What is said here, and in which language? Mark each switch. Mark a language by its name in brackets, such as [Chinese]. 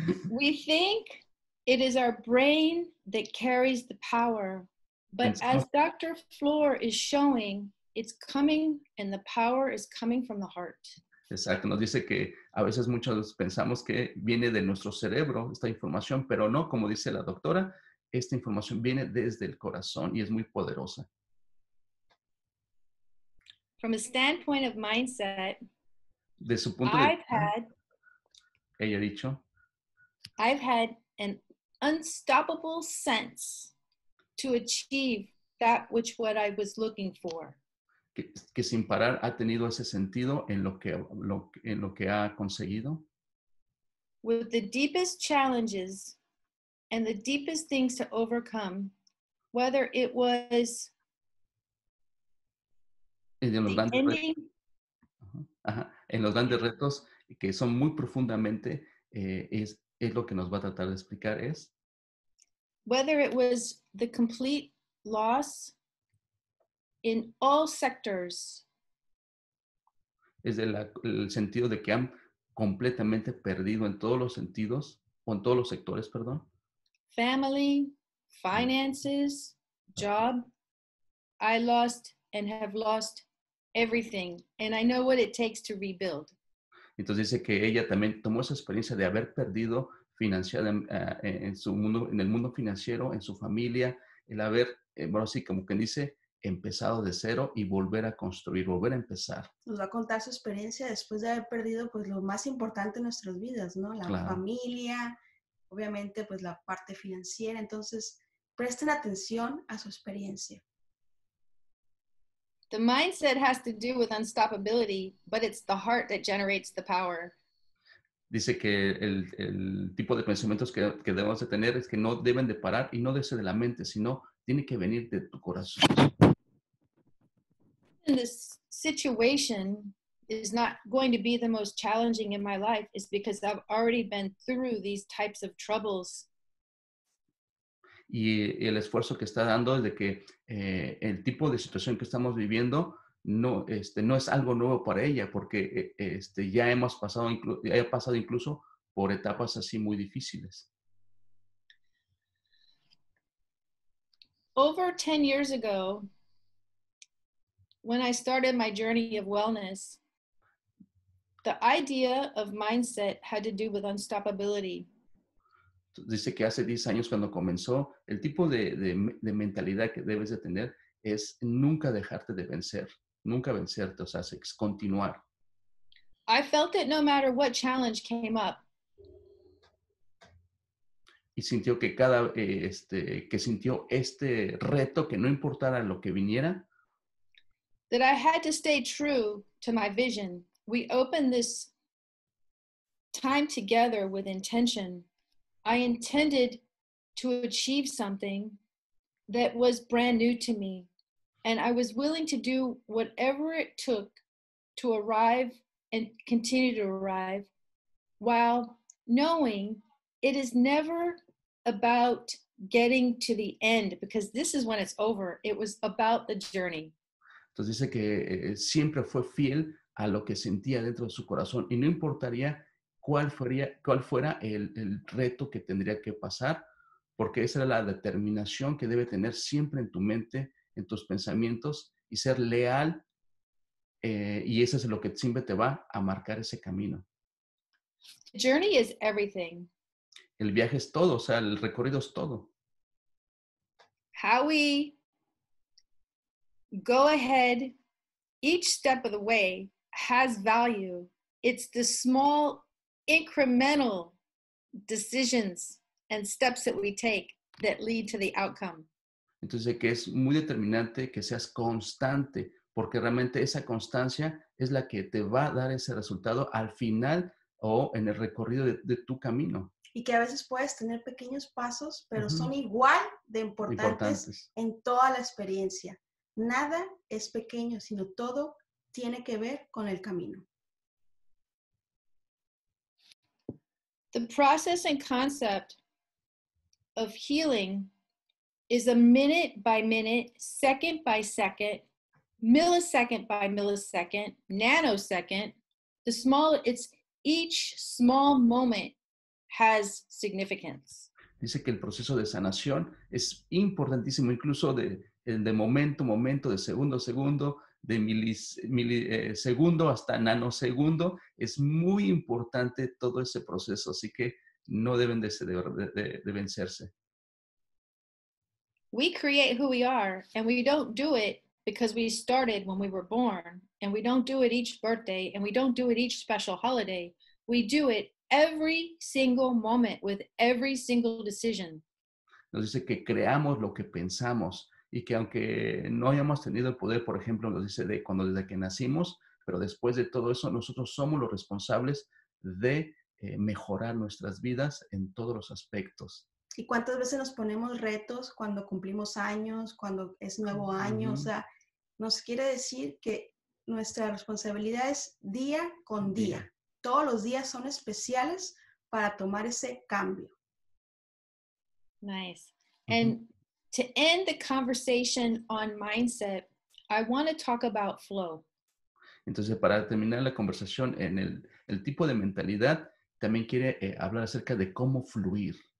[English] We think it is our brain that carries the power. But as Dr. Floor is showing, it's coming, and the power is coming from the heart. [Spanish] Exacto. Nos dice que a veces muchos pensamos que viene de nuestro cerebro esta información, pero no, como dice la doctora, esta información viene desde el corazón y es muy poderosa. [English] From a standpoint of mindset, [Spanish] de su punto [English] I've [Spanish] de [English] had, [Spanish] ella ha dicho, [English] I've had an unstoppable sense to achieve that which what I was looking for. [Spanish] Que sin parar ha tenido ese sentido en lo que ha conseguido. [English] With the deepest challenges and the deepest things to overcome, whether it was [Spanish] en los grandes retos que son muy profundamente, es lo que nos va a tratar de explicar es. [English] Whether it was the complete loss in all sectors. [Spanish] Es el sentido de que han completamente perdido en todos los sentidos, o en todos los sectores, perdón. [English] Family, finances, job. I lost and have lost everything. And I know what it takes to rebuild. [Spanish] Entonces dice que ella también tomó esa experiencia de haber perdido en su mundo, en el mundo financiero, en su familia, el haber, bueno, así como quien dice, empezado de cero y volver a construir, volver a empezar. Nos va a contar su experiencia después de haber perdido, pues, lo más importante en nuestras vidas, ¿no? La claro. Familia, obviamente, pues, la parte financiera. Entonces, presten atención a su experiencia. [English] The mindset has to do with unstoppability, but it's the heart that generates the power. [Spanish] Dice que el tipo de pensamientos que debemos de tener es que no deben de parar y no debe ser de la mente, sino tiene que venir de tu corazón. [English] And this situation is not going to be the most challenging in my life is because I've already been through these types of troubles. [Spanish] Y el esfuerzo que está dando es de que el tipo de situación que estamos viviendo no es algo nuevo para ella, porque ya hemos pasado, ya he pasado incluso por etapas así muy difíciles. [English] Over 10 years ago, when I started my journey of wellness, the idea of mindset had to do with unstoppability. [Spanish] Dice que hace 10 años cuando comenzó, el tipo de mentalidad que debes de tener es nunca dejarte de vencer. Nunca vencerte, o sea, es continuar. [English] I felt it no matter what challenge came up. [Spanish] Y sintió que cada, que sintió este reto, que no importara lo que viniera. [English] That I had to stay true to my vision. We opened this time together with intention. I intended to achieve something that was brand new to me, and I was willing to do whatever it took to arrive and continue to arrive, while knowing it is never about getting to the end, because this is when it's over. It was about the journey. [Spanish] Entonces dice que siempre fue fiel a lo que sentía dentro de su corazón, y no importaría cuál fuera el reto que tendría que pasar, porque esa era la determinación que debe tener siempre en tu mente, en tus pensamientos, y ser leal, y eso es lo que siempre te va a marcar ese camino. [English] The journey is everything. [Spanish] El viaje es todo, o sea, el recorrido es todo. [English] How we go ahead each step of the way has value. It's the small incremental decisions and steps that we take that lead to the outcome. [Spanish] Entonces, que es muy determinante que seas constante, porque realmente esa constancia es la que te va a dar ese resultado al final o en el recorrido de tu camino. Y que a veces puedes tener pequeños pasos, pero son igual de importantes en toda la experiencia. Nada es pequeño, sino todo tiene que ver con el camino. [English] The process and concept of healing is a minute by minute, second by second, millisecond by millisecond, nanosecond. It's each small moment has significance. [Spanish] Dice que el proceso de sanación es importantísimo, incluso de momento a momento, de segundo a segundo, de milisegundo hasta nanosegundo, es muy importante todo ese proceso, así que no deben de vencerse. [English] We create who we are, and we don't do it because we started when we were born, and we don't do it each birthday, and we don't do it each special holiday. We do it every single moment with every single decision. [Spanish] Nos dice que creamos lo que pensamos. Y que aunque no hayamos tenido el poder, por ejemplo, nos dice de cuando desde que nacimos, pero después de todo eso, nosotros somos los responsables de mejorar nuestras vidas en todos los aspectos. ¿Y cuántas veces nos ponemos retos cuando cumplimos años, cuando es nuevo año? O sea, nos quiere decir que nuestra responsabilidad es día con día. todos los días son especiales para tomar ese cambio. [English] Nice. Mm-hmm. And to end the conversation on mindset, I want to talk about flow. [Spanish] Entonces, para terminar la conversación en el tipo de mentalidad, también quiere hablar acerca de cómo fluir.